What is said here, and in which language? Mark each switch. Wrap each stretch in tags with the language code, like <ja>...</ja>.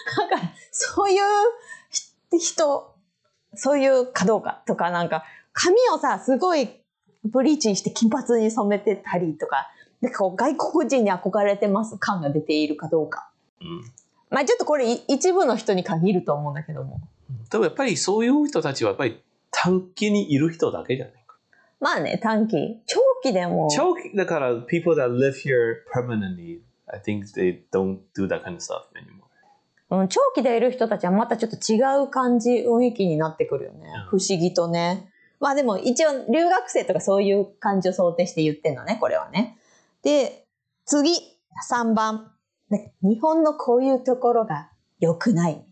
<ja>なんか、そういう人、そういうかどうかとか、なんか、髪をさ、すごいブリーチして金髪に染めてたりとか、なんかこう、外国人に憧れてます感が出ているかどうか。うん、まあちょっとこれ一部の人に限ると思うんだけども。でもやっぱりそういう人たちはやっぱり短期にいる人だけじゃないか。まあね、短期。長期でも。長期だから、</ja> <en>people that live here permanently, I think they don't do that kind of stuff anymore.</en> <ja>うん、長期でいる人たちはまたちょっと違う感じ、雰囲気になってくるよね。不思議とね。まあでも一応留学生とかそういう感じを想定して言ってんのね、これはね。で、次、3番。日本のこういうところが良くない。</ja>